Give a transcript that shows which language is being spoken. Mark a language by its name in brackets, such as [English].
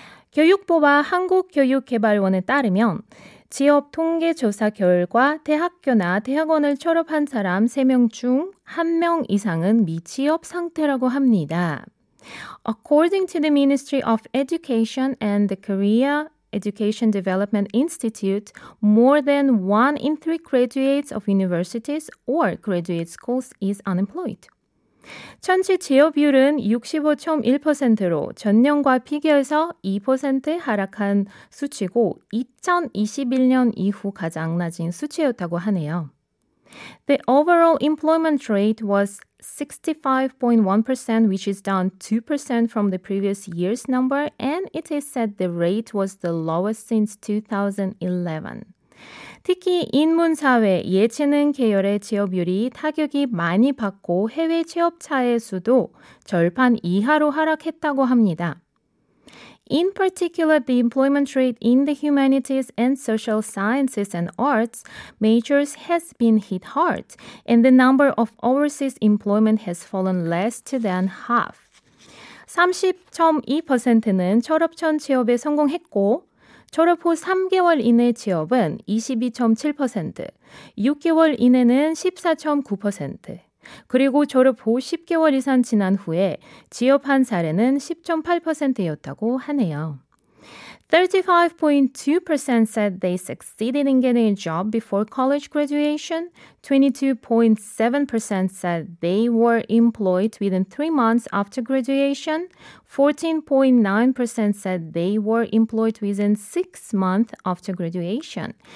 [Korean] 교육부와 한국교육개발원에 따르면 취업 통계 조사 결과 대학교나 대학원을 졸업한 사람 3명 중 1명 이상은 미취업 상태라고 합니다. [English] According to the Ministry of Education and the Korea Education Development Institute, more than one in three graduates of universities or graduate schools is unemployed. [Korean] 전체 취업률은 65.1%로 전년과 비교해서 2% 하락한 수치고 2021년 이후 가장 낮은 수치였다고 하네요. [English] The overall employment rate was 65.1%, which is down 2% from the previous year's number, and it is said the rate was the lowest since 2011. [Korean] 특히 인문사회 예체능 계열의 취업률이 타격이 많이 받고 해외 취업자의 수도 절반 이하로 하락했다고 합니다. [English] In particular, the employment rate in the humanities and social sciences and arts majors has been hit hard, and the number of overseas employment has fallen less than half. [Korean] 30.2%는 졸업 전 취업에 성공했고, 졸업 후 3개월 이내 취업은 22.7%, 6개월 이내는 14.9%, 그리고 졸업 후 10개월 이상 지난 후에 취업한 사례는 10.8%였다고 하네요. [English] 35.2% said they succeeded in getting a job before college graduation. 22.7% said they were employed within 3 months after graduation. 14.9% said they were employed within 6 months after graduation.